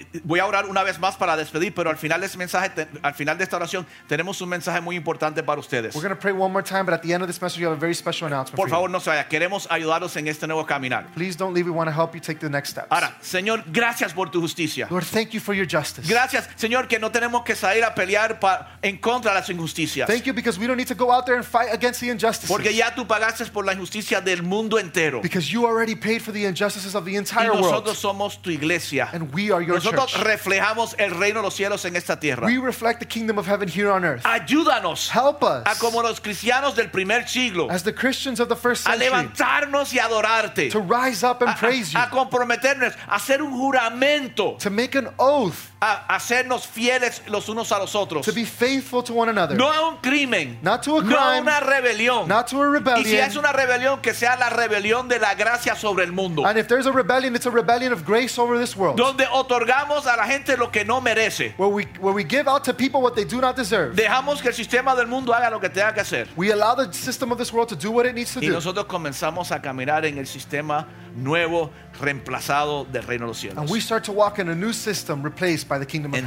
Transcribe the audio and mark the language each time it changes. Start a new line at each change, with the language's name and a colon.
Spanish: Voy a orar una vez más para despedir, pero al final de ese mensaje, al final de esta oración, tenemos un mensaje muy importante para ustedes.
English: We're going to pray one more time, but at the end of this message, you have a very special announcement.
Spanish: Por favor,
English: you.
Spanish: No se vaya. Queremos ayudarlos en este nuevo caminar.
English: Please don't leave. We want to help you take the next steps.
Spanish: Ahora, Señor, gracias por tu justicia.
English: Lord, thank you for your justice.
Spanish: Gracias, Señor, que no tenemos que salir a pelear en contra de las injusticias.
English: Thank you because we don't need to go out there and fight against the injustices.
Spanish: Porque ya tú pagaste por la injusticia del mundo entero.
English: Because you already paid for the injustices of the entire world.
Spanish: Y nosotros somos tu iglesia.
English: And we are your
Spanish: nosotros
English: church.
Spanish: Reflejamos el reino de los cielos en esta tierra.
English: We reflect the kingdom of heaven here on earth.
Spanish: Ayúdanos.
English: Help us.
Spanish: A como los cristianos del primer siglo.
English: As the Christians of the first century.
Spanish: A levantarnos y adorarte.
English: To rise up and praise you.
Spanish: A comprometernos. A hacer un juramento.
English: To make an oath.
Spanish: A hacernos fieles los unos a los otros.
English: To be faithful to one another.
Spanish: No a un crimen.
English: Not to a crime.
Spanish: No a una rebelión.
English: Not to a rebellion.
Spanish: Y si es una rebelión, que sea la rebelión de la gracia sobre el mundo.
English: And if there's a rebellion, it's a rebellion of grace over this world.
Spanish: Donde otorgamos a la gente lo que no merece.
English: Where we give out to people what they do not deserve.
Spanish: Dejamos que el sistema del mundo haga lo que tenga que hacer.
English: We allow the system of this world to do what it needs to
Spanish: y
English: do.
Spanish: Y nosotros comenzamos a caminar en el sistema nuevo reemplazado del reino de los cielos.
English: And we start to walk in a new system replaced by the kingdom of heaven.